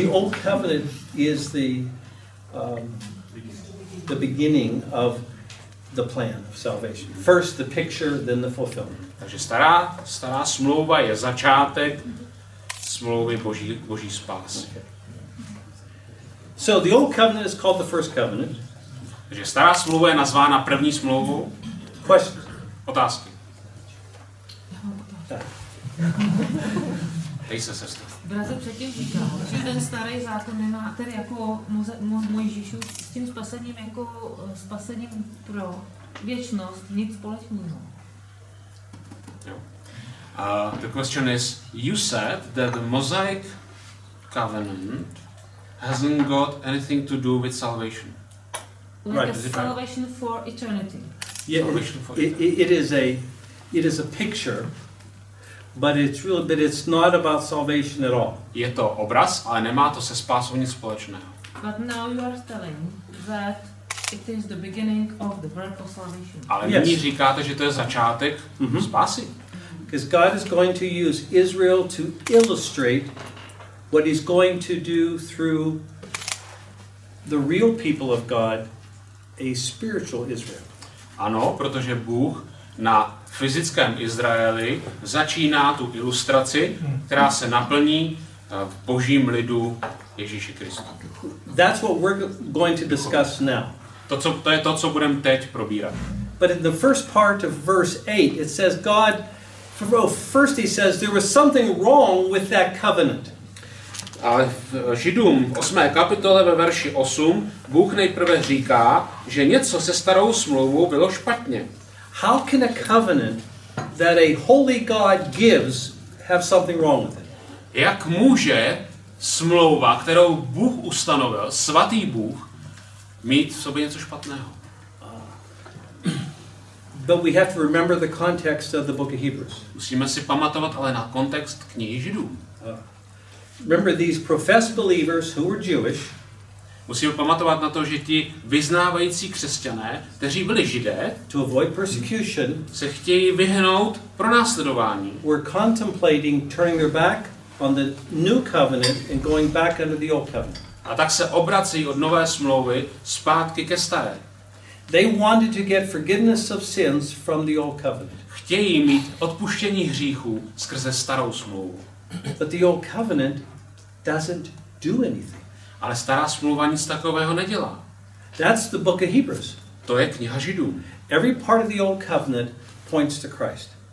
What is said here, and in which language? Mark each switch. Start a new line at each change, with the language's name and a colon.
English: The old covenant is the beginning of the plan of salvation. First the picture, then the fulfillment.
Czech: Takže stará smlouva je začátek smlouvy Boží spásy.
English: Okay. So the old covenant is called the first covenant.
Czech: Takže stará smlouva je nazvána první smlouvou.
English: Question.
Czech: Otázky. Dej se, sestra. Bratr předtím říkal, že ten starý zákon nemá, tedy jako Mojžíšu, s tím spasením jako spasením pro věčnost nic společného.
English: The question is, you said that the Mosaic covenant hasn't got anything to do with salvation. salvation for eternity. It is a picture, but it's not about salvation at all.
Czech: Je to obraz, ale nemá to se spásou nic společného.
English: But now you are telling that it is the beginning of the work of salvation.
Czech: Ale
English: yes.
Czech: Nyní říkáte, že to je začátek spásy.
English: Because God is going to use Israel to illustrate what he's going to do through the real people of God, a spiritual Israel.
Czech: Ano, protože Bůh na fyzickém Izraeli začíná tu ilustraci, která se naplní v božím lidu Ježíši Kristu.
English: That's what we're going to discuss now.
Czech: To je to, co budeme teď probírat.
English: But in the first part of verse 8, it says God, first he says there was something wrong with that covenant.
Czech: A v Židům 8. kapitole ve verši 8 Bůh nejprve říká, že něco se starou smlouvou bylo špatně.
English: How can a covenant that a holy God gives have something wrong with it?
Czech: Jak může smlouva, kterou Bůh ustanovil, svatý Bůh, mít v sobě něco špatného?
English: But we have to remember the context of the book of Hebrews.
Czech: Musíme si pamatovat ale na kontext knihy Židům.
English: Remember these professed believers who were Jewish.
Czech: Musíme pamatovat na to, že ti vyznávající křesťané, kteří byli Židé,
English: to avoid persecution,
Czech: se chtějí vyhnout pronásledování.
English: Were contemplating turning their back on the new covenant and going back under the old covenant.
Czech: A tak se obrací od nové smlouvy zpátky ke staré.
English: They wanted to get forgiveness of sins from the old covenant.
Czech: Chtějí mít odpuštění hříchů skrze starou smlouvu.
English: But the old covenant doesn't do anything.
Czech: Ale stará smlouva nic takového nedělá.
English: That's the book of Hebrews.
Czech: To je kniha Židů.
English: Every part of the old covenant points to Christ.